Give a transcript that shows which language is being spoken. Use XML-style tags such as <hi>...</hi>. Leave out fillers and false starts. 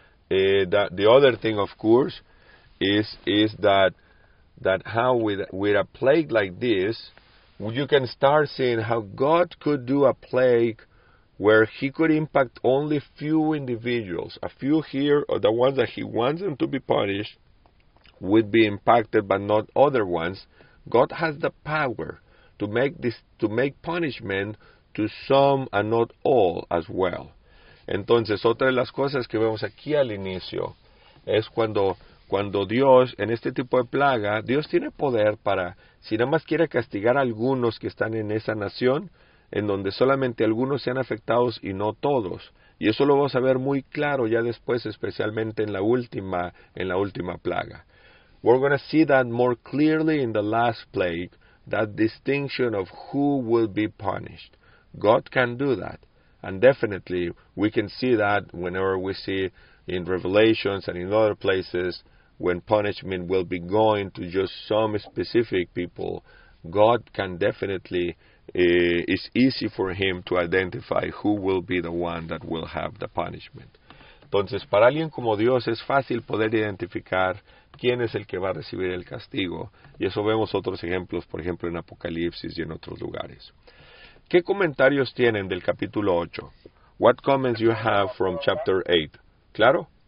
<en>The other thing, of course, is that how with a plague like this, you can start seeing how God could do a plague where he could impact only few individuals. A few here, or the ones that he wants them to be punished, would be impacted, but not other ones. God has the power to make this, to make punishment to some and not all as well.</en> <es>Entonces, otra de las cosas que vemos aquí al inicio es cuando Dios, en este tipo de plaga, Dios tiene poder para, si nada más quiere castigar a algunos que están en esa nación, en donde solamente algunos sean afectados y no todos. Y eso lo vamos a ver muy claro ya después, especialmente en la última plaga.</es> <en>We're going to see that more clearly in the last plague, that distinction of who will be punished. God can do that. And definitely, we can see that whenever we see in Revelations and in other places, when punishment will be going to just some specific people, God can definitely, it's easy for him to identify who will be the one that will have the punishment.</en> <es>Entonces, para alguien como Dios es fácil poder identificar quién es el que va a recibir el castigo. Y eso vemos otros ejemplos, por ejemplo, en Apocalipsis y en otros lugares. ¿Qué comentarios tienen del capítulo 8?</es> <en>What comments you have from chapter 8?</en> <es>¿Claro?</es>